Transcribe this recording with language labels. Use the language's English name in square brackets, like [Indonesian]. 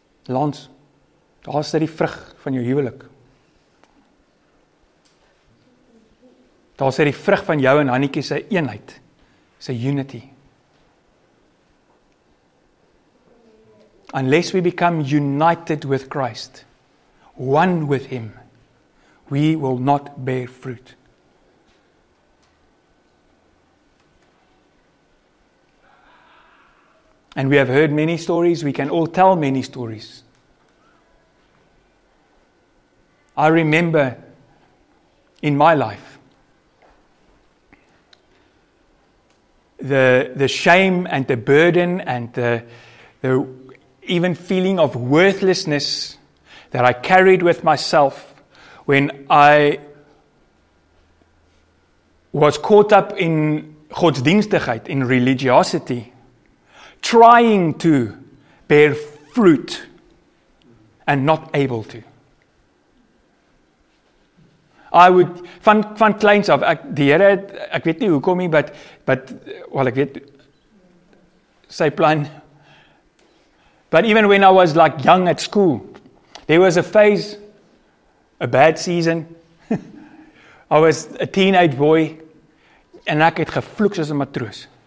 [Afrikaans] Lans, daar is die vrug van jou huwelik. Daar sê die vrug van jou en Hannetjie se eenheid, se unity. [English] Unless we become united with Christ, one with Him, we will not bear fruit. And we have heard many stories, we can all tell many stories. I remember in my life the shame and the burden and the even feeling of worthlessness that I carried with myself when I was caught up in godsdienstigheid, in religiosity, trying to bear fruit and not able to. I would [Afrikaans] van kleins af, ek die Here, ek weet nie hoekom nie, ek weet sy plan. [English] But even when I was like young at school, there was a phase, a bad season. I was a teenage boy and [Afrikaans] ek het gevloek soos 'n matroos.